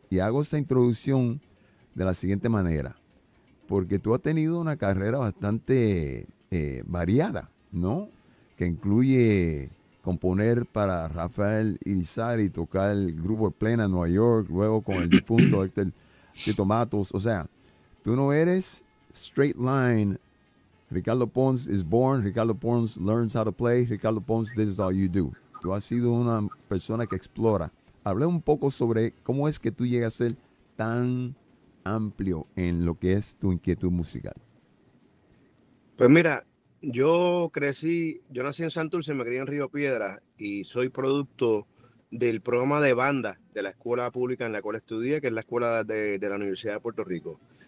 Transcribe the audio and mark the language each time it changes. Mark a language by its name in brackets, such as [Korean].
[Spanish] Y hago esta introducción de la siguiente manera, porque tú has tenido una carrera bastante variada, ¿no? Que incluye componer para Rafael Irizarry, tocar el grupo Plena en Nueva York, luego con el difunto Héctor Tito Matos. O sea, tú no eres straight line. [English] Ricardo Pons is born, Ricardo Pons learns how to play, Ricardo Pons, this is all you do. [Spanish] Tú has sido una persona que explora. Hablé un poco sobre cómo es que tú llegas a ser tan amplio en lo que es tu inquietud musical. Pues mira, yo crecí, yo nací en Santurce, me crié en Río Piedras y soy producto del programa de banda de la escuela pública en la cual estudié, que es la escuela de la Universidad de Puerto Rico.